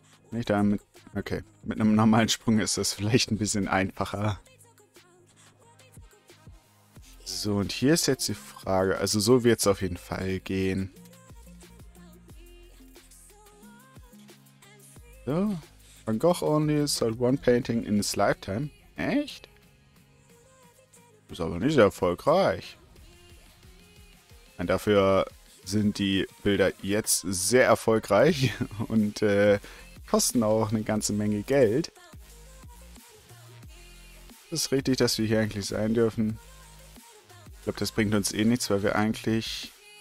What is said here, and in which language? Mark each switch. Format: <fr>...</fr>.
<de>Nicht damit. Okay, mit einem normalen Sprung ist das vielleicht ein bisschen einfacher. So, und hier ist jetzt die Frage. Also, so wird es auf jeden Fall gehen.</de> <en>So, Van Gogh only sold one painting in his lifetime.</en> <de>Echt? Ist aber nicht erfolgreich. Nein, dafür sind die Bilder jetzt sehr erfolgreich und kosten auch eine ganze Menge Geld. Es ist richtig, dass wir hier eigentlich sein dürfen. Ich glaube, das bringt uns eh nichts, weil wir eigentlich.</de>